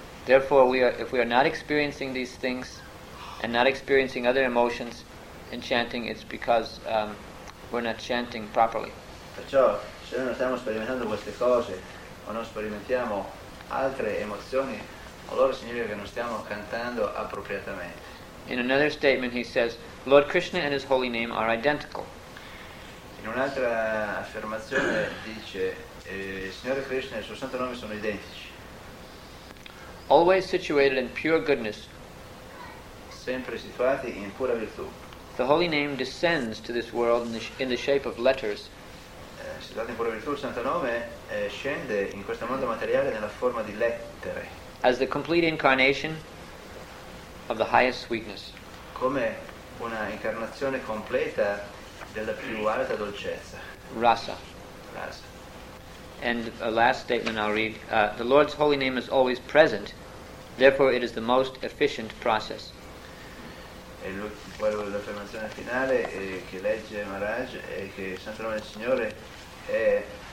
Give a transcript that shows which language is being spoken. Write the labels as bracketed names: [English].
[English] Therefore, if we are not experiencing these things and not experiencing other emotions in chanting, it's because we're not chanting properly. [Italian] Perciò, se noi non stiamo sperimentando queste cose o non sperimentiamo altre emozioni, allora significa che non stiamo cantando appropriatamente. [English] In another statement he says, Lord Krishna and his holy name are identical. [Italian] In un'altra affermazione dice, il Signore Krishna e il suo santo nome sono identici. [English] Always situated in pure goodness. [Italian] Sempre situati in pura virtù. [English] The holy name descends to this world in the shape of letters. [Italian] Situato in pura virtù, il santo nome scende in questo mondo materiale nella forma di lettere. [English] As the complete incarnation of the highest sweetness. [Italian] Come una incarnazione completa della più alta dolcezza. [English] Rasa. [Italian] Rasa. [English] And a last statement I'll read. The Lord's holy name is always present, therefore it is the most efficient process. [Italian] E poi l'affermazione finale che legge Maharaj è che il Santo Nome del Signore è...